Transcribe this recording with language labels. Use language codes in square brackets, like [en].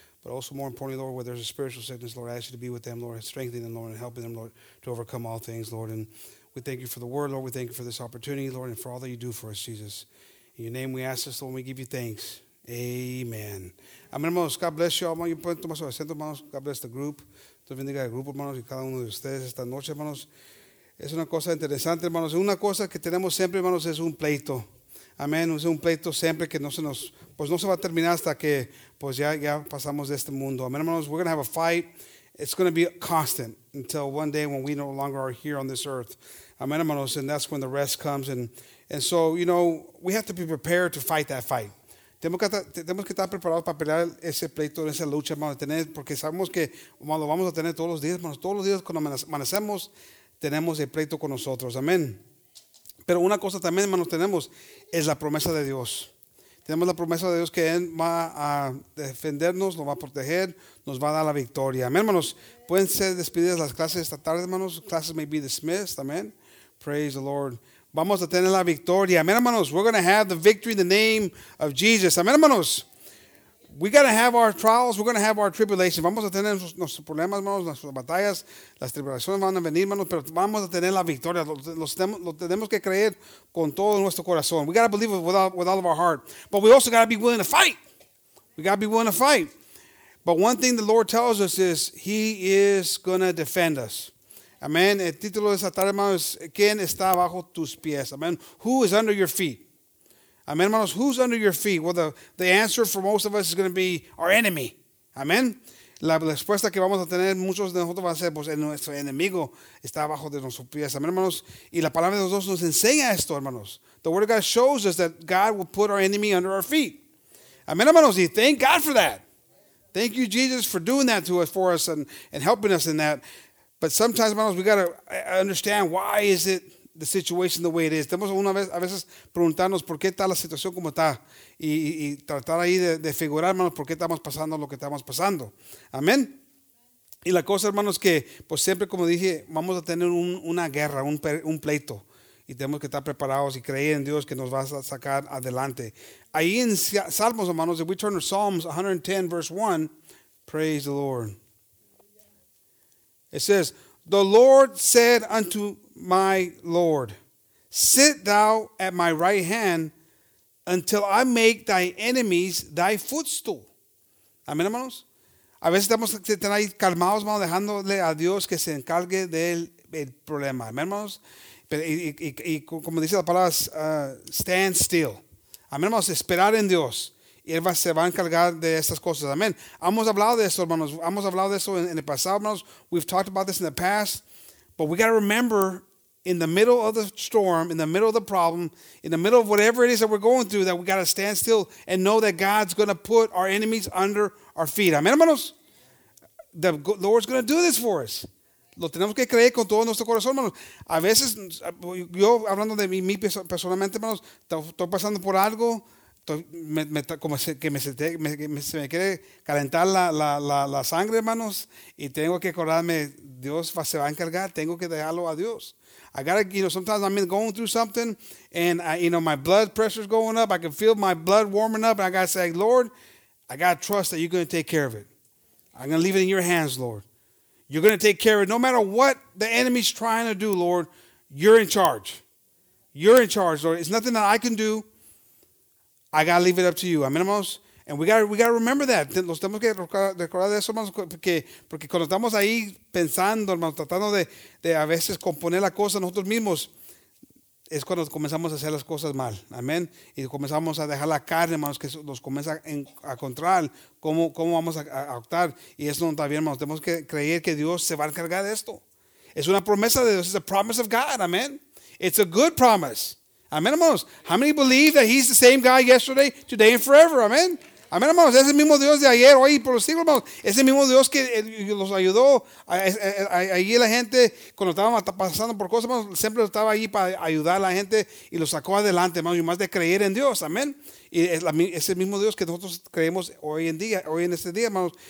[en] But also more importantly, Lord, where there's a spiritual sickness, Lord, I ask you to be with them, Lord, strengthening them, Lord, and helping them, Lord, to overcome all things, Lord. And we thank you for the word, Lord. We thank you for this opportunity, Lord, and for all that you do for us, Jesus. In your name we ask this, Lord, and we give you thanks. Amen. Amen, hermanos. God bless you all. God bless the group. [es] Dios bendiga el grupo, hermanos, y cada uno de ustedes esta noche, hermanos. Es una cosa interesante, hermanos. Una cosa que tenemos siempre, hermanos, es un pleito. Amén. Es un pleito siempre que no se nos, pues no se va a terminar hasta que, pues ya pasamos de este mundo. [en] Amén, hermanos. We're going to have a fight. It's going to be constant until one day when we no longer are here on this earth. Amén, hermanos. And that's when the rest comes. And so, you know, we have to be prepared to fight that fight. [es] Tenemos que estar preparados para pelear ese pleito, esa lucha, hermanos. Tener, porque sabemos que lo vamos a tener todos los días, hermanos. Todos los días cuando amanecemos, tenemos el pleito con nosotros. Amén. Pero una cosa también, hermanos, tenemos es la promesa de Dios. Tenemos la promesa de Dios que Él va a defendernos, nos va a proteger, nos va a dar la victoria. Amén, hermanos. Pueden ser despedidas las clases esta tarde, hermanos. [en] Classes may be dismissed. [es] Amén. [en] Praise the Lord. [es] Vamos a tener la victoria. Amén, hermanos. [en] We're going to have the victory in the name of Jesus. Amén, hermanos. We got to have our trials. We're going to have our tribulations. [es] Vamos a tener nuestros problemas, hermanos, nuestras batallas. Las tribulaciones van a venir, hermanos, pero vamos a tener la victoria. Lo tenemos que creer con todo nuestro corazón. [en] We got to believe it with all of our heart. But we also got to be willing to fight. We got to be willing to fight. But one thing the Lord tells us is he is going to defend us. Amen. [es] El título de esta tarde, hermanos, es ¿Quién está bajo tus pies? [en] Amen. Who is under your feet? Amen, hermanos, who's under your feet? Well, the answer for most of us is going to be our enemy. Amen. [es] La respuesta que vamos a tener muchos de nosotros va a ser, pues, nuestro enemigo está bajo de nuestros pies. Amen, hermanos. Y la palabra de Dios nos enseña esto, hermanos. [en] The word of God shows us that God will put our enemy under our feet. Amen, hermanos. Y thank God for that. Thank you, Jesus, for doing that to us, for us, and helping us in that. But sometimes, hermanos, we got to understand why is it the situation the way it is. [es] Tenemos una vez, a veces, preguntarnos por qué está la situación como está y tratar ahí de figurar, hermanos, por qué estamos pasando lo que estamos pasando. Amén. Y la cosa, hermanos, que pues siempre, como dije, vamos a tener una guerra, un pleito, y tenemos que estar preparados y creer en Dios que nos va a sacar adelante. Ahí en Salmos, [en] hermanos, if we turn to Psalms 110, verse 1, praise the Lord. It says, the Lord said unto my Lord, sit thou at my right hand until I make thy enemies thy footstool. Amén, hermanos. [es] A veces estamos ahí calmados, hermanos, dejándole a Dios que se encargue del problema. Amén, hermanos. Y como dice la palabra, [en] stand still. [es] Amén, hermanos, esperar en Dios. Y Él se va a encargar de estas cosas. Amén. Hemos hablado de esto, hermanos. Hemos hablado de esto en el pasado, hermanos. [en] We've talked about this in the past. But we got to remember, in the middle of the storm, in the middle of the problem, in the middle of whatever it is that we're going through, that we got to stand still and know that God's going to put our enemies under our feet. Amén, hermanos. The Lord's going to do this for us. [es] Lo tenemos que creer con todo nuestro corazón, hermanos. A veces, yo hablando de mí personalmente, hermanos, estoy pasando por algo. Me quiere calentar la sangre, hermanos, y tengo que acordarme, Dios se va a encargar, tengo que dejarlo a Dios. [en] I gotta, you know, sometimes I'm going through something, and I, you know, my blood pressure's going up, I can feel my blood warming up, and I gotta say, Lord, I gotta trust that you're gonna take care of it. I'm gonna leave it in your hands, Lord. You're gonna take care of it. No matter what the enemy's trying to do, Lord, you're in charge. You're in charge, Lord. It's nothing that I can do. I got to leave it up to you. Amén, hermanos. And we got to remember that. [es] Nos tenemos que recordar de eso, hermanos, porque cuando estamos ahí pensando, hermanos, tratando de a veces componer la cosa nosotros mismos, es cuando comenzamos a hacer las cosas mal. Amén. Y comenzamos a dejar la carne, hermanos, que nos comienza a controlar cómo vamos a actuar. Y eso no está bien, hermanos. Tenemos que creer que Dios se va a encargar de esto. Es una promesa de Dios. [en] It's a promise of God. [es] Amén. [en] It's a good promise. Amen, hermanos. How many believe that he's the same guy yesterday, today, and forever? Amen. Amén, hermanos. [es] Es el mismo Dios de ayer, hoy y por los siglos, hermanos. Es el mismo Dios que los ayudó. Allí la gente, cuando estaban pasando por cosas, hermanos, siempre estaba allí para ayudar a la gente y los sacó adelante, hermanos. Y más de creer en Dios, amén. Y es el mismo Dios que nosotros creemos hoy en día, hoy en este día, hermanos.